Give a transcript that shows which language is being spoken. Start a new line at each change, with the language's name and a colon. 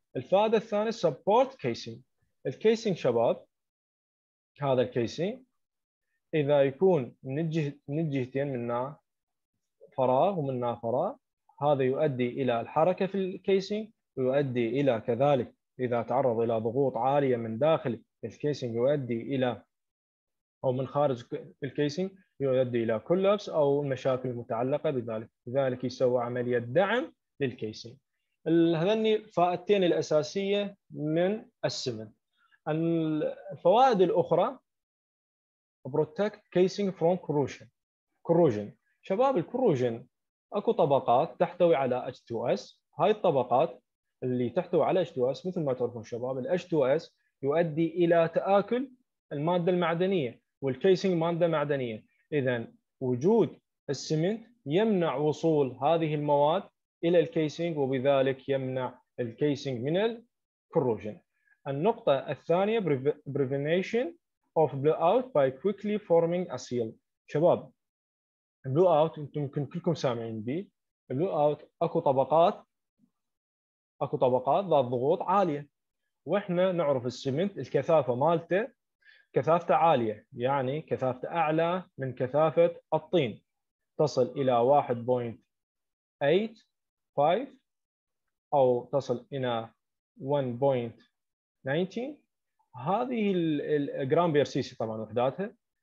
Arabic: الفائدة الثانية support casing. الكيسينج شباب هذا الكيسينج إذا يكون من الجهتين منها فراغ ومنها فراغ هذا يؤدي إلى الحركة في الكيسينج ويؤدي إلى كذلك إذا تعرض إلى ضغوط عالية من داخل الكيسينج يؤدي إلى أو من خارج الكيسينج يؤدي إلى كولابس أو المشاكل المتعلقة بذلك. لذلك يسوى عملية دعم للكيسينج. هذني فائدتين الأساسية من السمنت. الفوائد الأخرى
English: protect casing from corrosion.
Arabic: corrosion شباب الكروجن أكو طبقات تحتوي على H2S. هاي الطبقات اللي تحتوي على H2S مثل ما تعرفون شباب ال H2S يؤدي إلى تآكل المادة المعدنية والكيسينج مادة معدنية. إذا وجود السمنت يمنع وصول هذه المواد إلى الكيسينج وبذلك يمنع الكيسينج من الكروجن. النقطة الثانية
English: prevention of blowout by quickly forming a seal.
Arabic: شباب blowout انتم ممكن كلكم سامعين به blowout اكو طبقات ذات ضغوط عاليه واحنا نعرف السمنت الكثافه مالته كثافته عاليه يعني كثافته اعلى من كثافه الطين تصل الى 1.85 او تصل الى 1.19 هذه الجرام بير سي سي طبعا وحداتها.